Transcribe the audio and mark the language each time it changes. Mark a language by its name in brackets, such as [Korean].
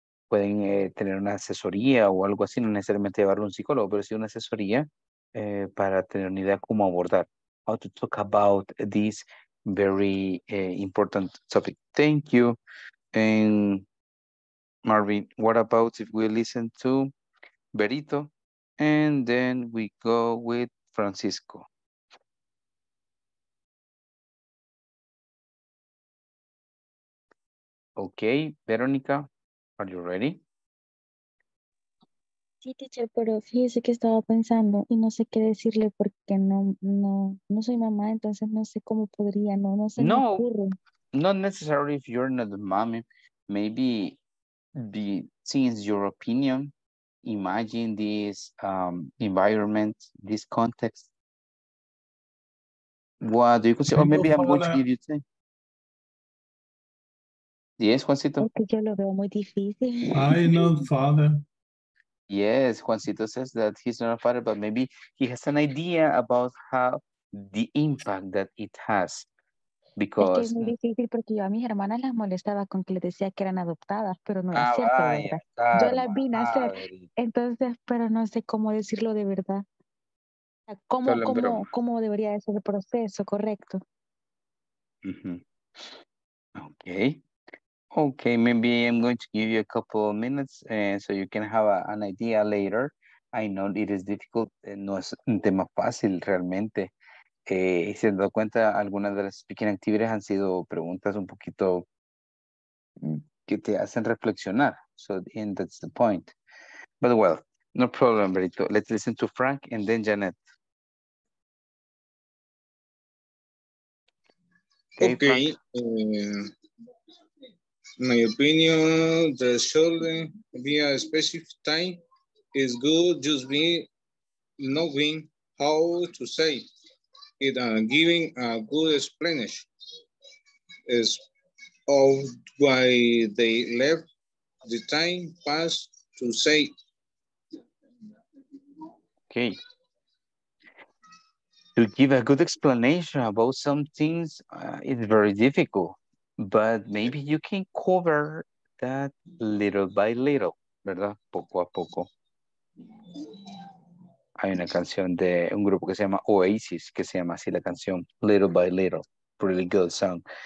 [Spanish] Pueden tener una asesoría o algo así, no necesariamente llevar a un psicólogo, pero sí una asesoría para tener una idea cómo abordar. [English] How to talk about this very important topic. Thank you. And Marvin, what about if we listen to Berito and then we go with Francisco? Okay, Veronica, are you ready? [Spanish] Sí, teacher, pero fíjese que estaba pensando y no sé qué decirle porque no soy mamá, entonces no sé cómo podría, no me ocurre. [English] Not necessarily if you're not a mommy. Maybe the since your opinion, imagine this environment, this context. What do you consider? Or maybe I'm going to give you say. Yes, Juancito. [Spanish] Yo lo veo muy difícil. [English] I know father. Yes, Juancito says that he's not a father, but maybe he has an idea about how the impact that it has. Because [Spanish] es que es muy difícil porque yo a mis hermanas las molestaba con que les decía que eran adoptadas, pero no es cierto, ¿verdad? Yo las vi nacer, entonces, pero no sé cómo decirlo de verdad. ¿Cómo debería de ser el proceso correcto? [English] Mm-hmm. Okay. Okay, maybe I'm going to give you a couple of minutes so you can have an idea later. I know it is difficult, [Spanish] no es un tema fácil realmente. Se han dado cuenta, algunas de las speaking activities han sido preguntas un poquito que te hacen reflexionar. [English] So, and that's the point. But well, no problem, Berito. Let's listen to Frank and then Janet. Okay. My opinion, the children be a specific time is good, just be knowing how to say it and giving a good explanation is of why they left the time pass to say. Okay. To give a good explanation about some things is very difficult, but maybe you can cover that little by little, [Spanish] ¿verdad? Poco a poco. Hay una canción de un grupo que se llama Oasis, que se llama así la canción, Little by Little, [English] pretty good song.